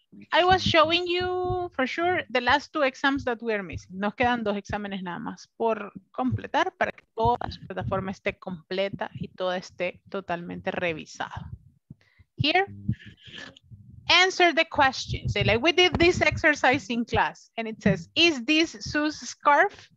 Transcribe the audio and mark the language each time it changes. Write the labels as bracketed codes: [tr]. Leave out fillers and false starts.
[en] I was showing you, for sure, the last two exams that we are missing. [es] Nos quedan dos exámenes nada más por completar para que toda su plataforma esté completa y toda esté totalmente revisada. [en] Here, answer the questions. Say, like, we did this exercise in class, and it says, is this Sue's scarf?